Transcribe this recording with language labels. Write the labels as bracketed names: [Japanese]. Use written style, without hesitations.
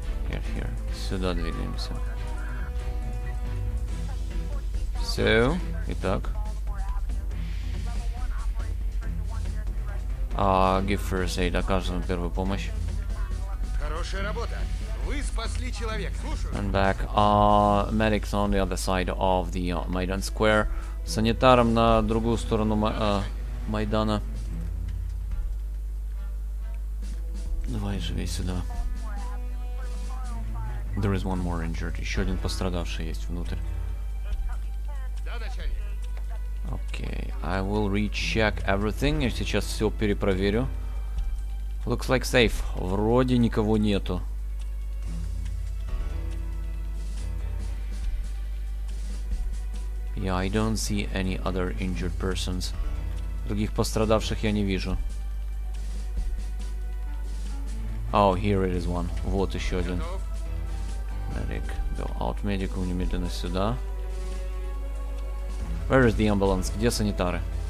[English] Here. [Russian] Сюда двигаемся. Все. Итак. [English] Give first aid. [Russian] Оказываем первую помощь. Хорошая работа. Вы спасли человека. Слушаю. [English] And back. Medics on the other side of the Maidan Square. [Russian] Санитаром на другую сторону Майдана. Давай живи сюда. [English] There is one more injured. [Russian] Еще один пострадавший есть внутрь. Да, начальник. [English] Okay, I will recheck everything. [Russian] Я сейчас все перепроверю. [English] Looks like safe. [Russian] Вроде никого нету. [English] Yeah, I don't see any other injured persons. [Russian] Других пострадавших я не вижу. [English] Oh, here it is one. [Russian] Вот еще один. [English] Medic, go out. [Russian] Medic, немедленно сюда. [English] Where is the ambulance? [Russian] Где санитары?